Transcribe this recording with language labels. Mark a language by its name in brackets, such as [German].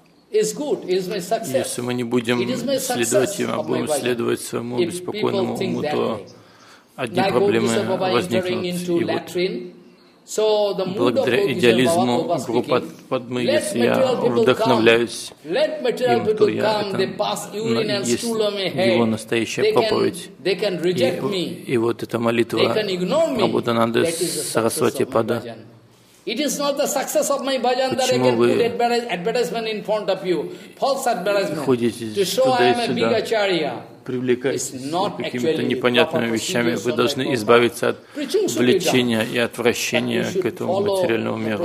[Russian] Если мы не будем следовать им, а будем следовать своему беспокойному уму, то одни проблемы возникнут. [English] So the mood of idealism, Prabhupada Padma, if I [Russian] вдохновляюсь им, то я это есть его настоящая проповедь. И вот эта молитва Прабхупады Сарасвати Пада. [English] It is not the success of my bhajan that I can put advertisement in front of you. False advertisement. To show I am a big acharya. [Russian] Привлекать какими-то непонятными вещами, вы должны избавиться от влечения и отвращения к этому материальному миру.